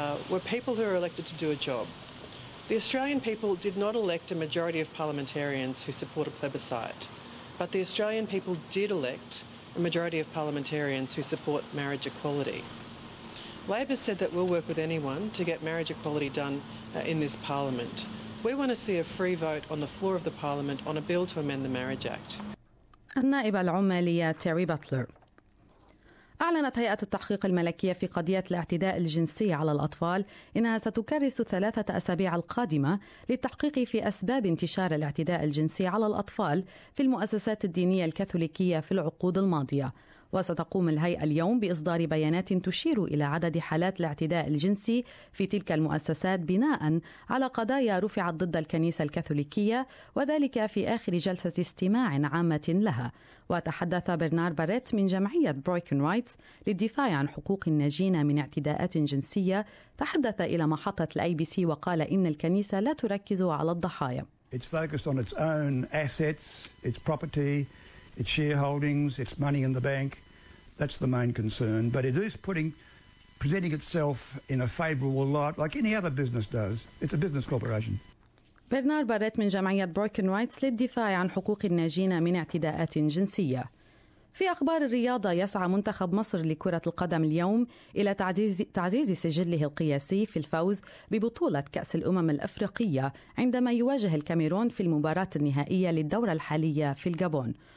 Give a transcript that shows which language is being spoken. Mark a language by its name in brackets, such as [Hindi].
[English] Were people who are elected to do a job. The Australian people did not elect a majority of parliamentarians who support a plebiscite, but the Australian people did elect a majority of parliamentarians who support marriage equality. Labor said that we'll work with anyone to get marriage equality done in this parliament. We want to see a free vote on the floor of the parliament on a bill to amend the Marriage Act. [Arabic] النائبة العمالية تيري باتلر. أعلنت هيئة التحقيق الملكية في قضية الاعتداء الجنسي على الأطفال إنها ستكرس 3 أسابيع القادمة للتحقيق في أسباب انتشار الاعتداء الجنسي على الأطفال في المؤسسات الدينية الكاثوليكية في العقود الماضية. وستقوم الهيئة اليوم بإصدار بيانات تشير إلى عدد حالات الاعتداء الجنسي في تلك المؤسسات بناء على قضايا رفعت ضد الكنيسة الكاثوليكية، وذلك في آخر جلسة استماع عامة لها. وتحدث برنار باريت من جمعية بروكن رايتس للدفاع عن حقوق الناجين من اعتداءات جنسية، تحدث إلى محطة الاي بي سي وقال إن الكنيسة لا تركز على الضحايا. [English] It's focused on its own assets, its property, its shareholdings, its money in the bank. That's the main concern. But it is presenting itself in a favorable light like any other business does. It's a business corporation. [Arabic] برنار باريت من جمعية بروكن رايتس للدفاع عن حقوق الناجين من اعتداءات جنسية. في أخبار الرياضة، يسعى منتخب مصر لكرة القدم اليوم إلى تعزيز سجله القياسي في الفوز ببطولة كأس الأمم الأفريقية عندما يواجه الكاميرون في المباراة النهائية للدورة الحالية في الجابون.